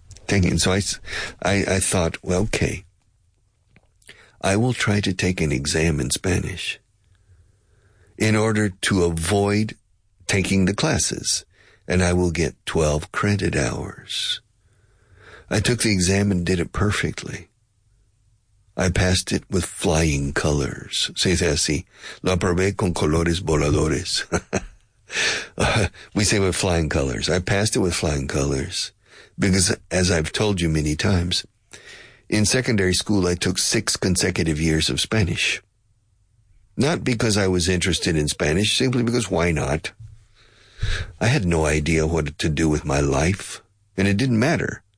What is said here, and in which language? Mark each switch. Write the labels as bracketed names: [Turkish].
[English] And so I thought, well, okay, I will try to take an exam in Spanish in order to avoid taking the classes, and I will get 12 credit hours. I took the exam and did it perfectly. I passed it with flying colors. [Spanish] Se dice así, lo aprobé con colores voladores. [English] We say with flying colors. I passed it with flying colors. Because, as I've told you many times, in secondary school, I took 6 consecutive years of Spanish. Not because I was interested in Spanish, simply because why not? I had no idea what to do with my life, and it didn't matter.